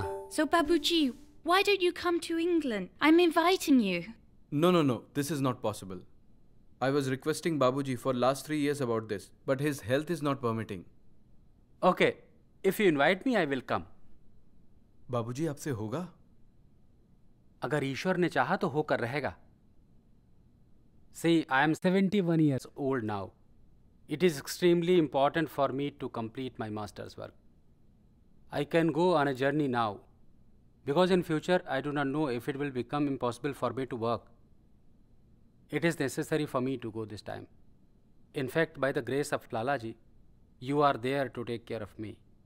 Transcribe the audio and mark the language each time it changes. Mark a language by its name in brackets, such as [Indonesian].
[English] So, Babuji, why don't you come to England? I'm inviting you. No, this is not possible. I was requesting Babuji for last 3 years about this, but his health is not permitting. Okay, if you invite me, I will come. [Hindi] Babuji, आपसे होगा? अगर ईश्वर ने चाहा तो होकर रहेगा। [English] See, I am 71 years old now. It is extremely important for me to complete my master's work. I can go on a journey now, because in future I do not know if it will become impossible for me to work. It is necessary for me to go this time. In fact, by the grace of Lalaji, you are there to take care of me.